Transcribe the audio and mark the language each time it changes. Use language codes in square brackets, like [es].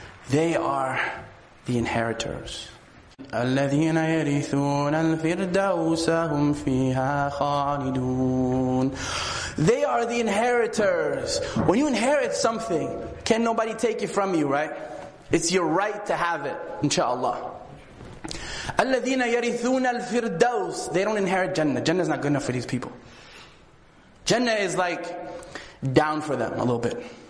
[en] They are the inheritors. [ar] الذين يرثون الفردوس هم فيها خالدون. [en] They are the inheritors. When you inherit something, can nobody take it from you, right? It's your right to have it, inshallah. [ar] الذين يرثون الفردوس. [en] They don't inherit Jannah. Jannah is not good enough for these people. Jannah is like down for them a little bit.